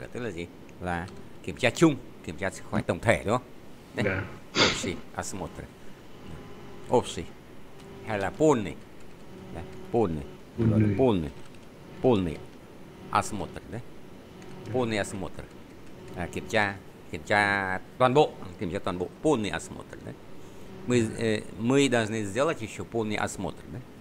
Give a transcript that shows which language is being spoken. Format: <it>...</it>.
<vi>Это là kiểm tra chung, kiểm tra sức khỏe tổng thể, đúng không?</vi> <ru>Общий осмотр. Общий.</ru> <vi>Hay là</vi> <ru>полный. Да? Полный. Полный. Полный осмотр, да? Полный осмотр.</ru> <vi>Kiểm tra kiểm tra toàn bộ, kiểm tra toàn bộ</vi> <ru>полный осмотр</ru> <vi>đấy.</vi> <ru>Мы должны сделать еще полный осмотр, да?</ru>